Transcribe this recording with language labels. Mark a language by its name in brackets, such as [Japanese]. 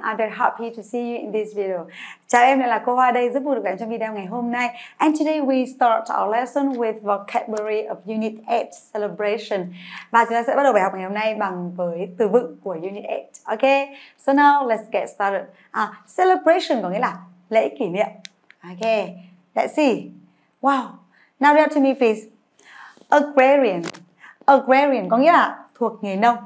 [English] I'm very happy to see you in this video. [Vietnamese] Chào em, đây là cô Hoa đây. Rất vui được gặp trong video ngày hôm nay. [English] And today we start our lesson with vocabulary of Unit 8 celebration. [Vietnamese] Và chúng ta sẽ bắt đầu bài học ngày hôm nay bằng với từ vựng của Unit 8. Okay. So now let's get started. Celebration có nghĩa là lễ kỷ niệm. [English] Okay. Let's see. Wow. Now read to me, please. Agrarian. [Vietnamese] Agrarian có nghĩa là thuộc nghề nông.